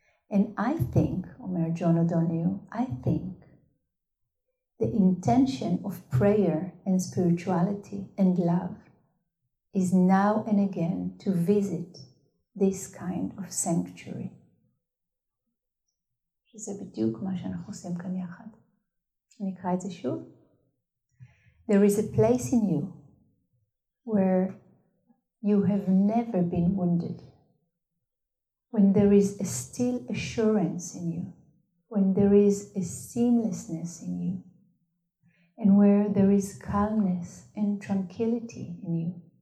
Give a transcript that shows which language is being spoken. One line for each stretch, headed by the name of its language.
English: And I think, Omer John O'Donoghue, I think the intention of prayer and spirituality and love is now and again to visit this kind of sanctuary.
Hebrew: שזה בדיוק מה שאנחנו עושים כאן יחד. אני אקרא את זה שוב.
English: There is a place in you where you have never been wounded. When there is a still assurance in you, when there is a seamlessness in you, and where there is calmness and tranquility in you.